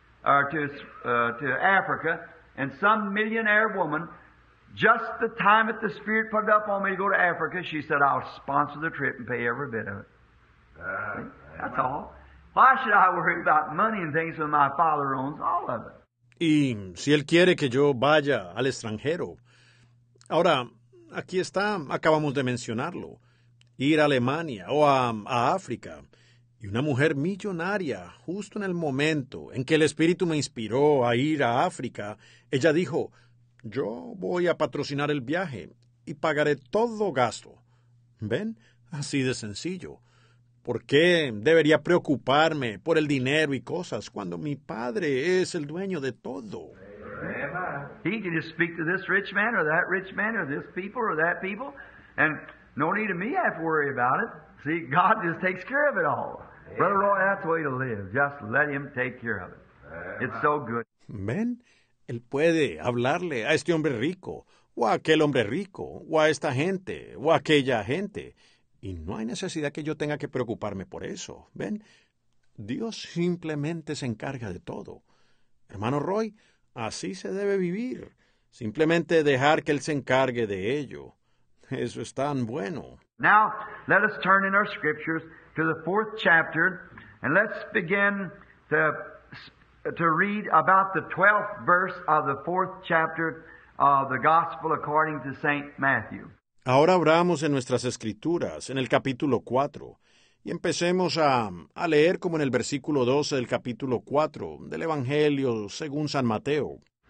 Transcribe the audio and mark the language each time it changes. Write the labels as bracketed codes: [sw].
[en] or to Africa, and some millionaire woman, just the time that the Spirit put it up on me to go to Africa, she said, I'll sponsor the trip and pay every bit of it. That's all. Why should I worry about money and things when my father owns all of it? [es] Y si él quiere que yo vaya al extranjero. Ahora, aquí está, acabamos de mencionarlo. Ir a Alemania o a África. Y una mujer millonaria, justo en el momento en que el Espíritu me inspiró a ir a África, ella dijo, yo voy a patrocinar el viaje y pagaré todo gasto. ¿Ven? Así de sencillo. ¿Por qué debería preocuparme por el dinero y cosas cuando mi padre es el dueño de todo? [en] He can just speak to this rich man or that rich man or this people or that people, and no need of me have to worry about it. See, God just takes care of it all. Amen. Brother Roy, that's the way to live. Just let him take care of it. Amen. It's so good. [es] Ven, él puede hablarle a este hombre rico, o a aquel hombre rico, o a esta gente, o a aquella gente. Y no hay necesidad que yo tenga que preocuparme por eso. ¿Ven? Dios simplemente se encarga de todo. Hermano Roy, así se debe vivir. Simplemente dejar que Él se encargue de ello. Eso es tan bueno. [en] Now, let us turn in our scriptures to the fourth chapter, and let's begin to read about the 12th verse of the fourth chapter of the Gospel according to St. Matthew. [es] Ahora abramos en nuestras Escrituras, en el capítulo 4, y empecemos a leer como en el versículo 12 del capítulo 4 del Evangelio según San Mateo.